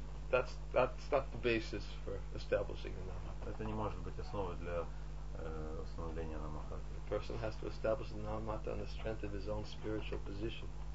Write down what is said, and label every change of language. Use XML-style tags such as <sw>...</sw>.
<en>That's not the basis for establishing the намахата.</en> <ru>Это не может быть основой для установления намахаты.</ru> <en>A person has to establish the намахата on the strength of his own spiritual position.</en>